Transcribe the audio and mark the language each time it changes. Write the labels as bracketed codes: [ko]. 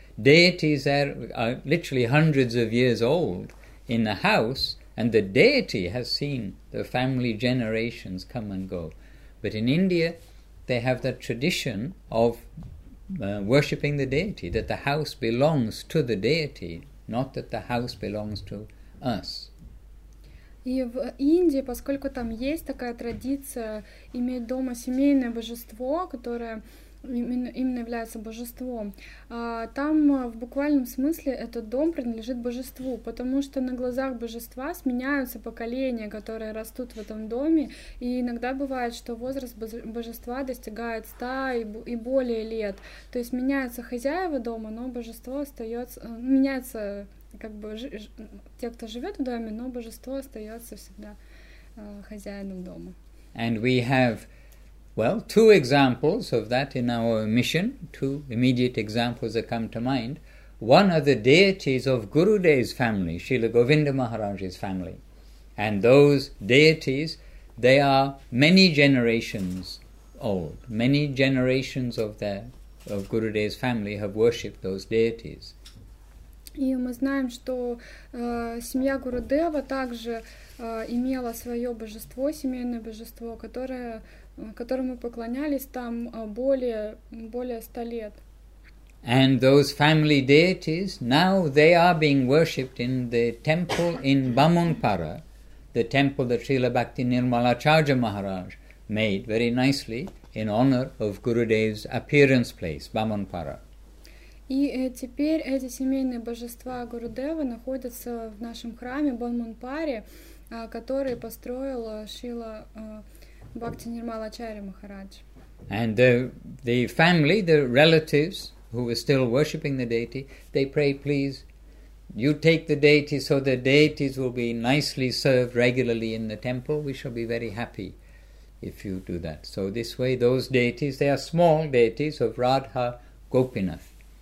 [en] Deities are literally hundreds of years old in the house, and the deity has seen the family generations come and go. But in India, they have that tradition of worshipping the deity, that the house belongs to the deity, not that the house belongs to us. [ru] И в Индии, поскольку там есть такая традиция иметь дома семейное божество, которое именно является божеством, там в буквальном смысле этот дом принадлежит божеству, потому что на глазах божества сменяются поколения, которые растут в этом доме, и иногда бывает, что возраст божества достигает 100 и более лет. То есть меняются хозяева дома, но божество остается, меняется... как бы те, кто живет в доме, но божество остается всегда хозяином дома. [en] And we have, well, two examples of that in our mission, two immediate examples that come to mind. One are the deities of Gurudev's family, Srila Govinda Maharaj's family. And those deities, they are many generations old. Many generations of Gurudev's family have worshipped those deities. [ru] И мы знаем, что семья Гурудева также имела свое божество, семейное божество, которому поклонялись там более 100 лет. [en] And those family deities, now they are being worshipped in the temple in Bamunpara, the temple that Srila Bhakti Nirmalacharya Maharaj made very nicely in honor of Gurudev's appearance place, Bamunpara. [ru] И теперь эти семейные божества Гурудева находятся в нашем храме Бамунпаре, который построил Шрила Бхакти Нирмалачарья Махарадж. [en] And the family, the relatives who were still worshipping the deity, they pray, please, You take the deity, so the deities will be nicely served regularly in the temple. We shall be very happy if you do that. So this way, those deities, they are small deities of Radha Gopinath.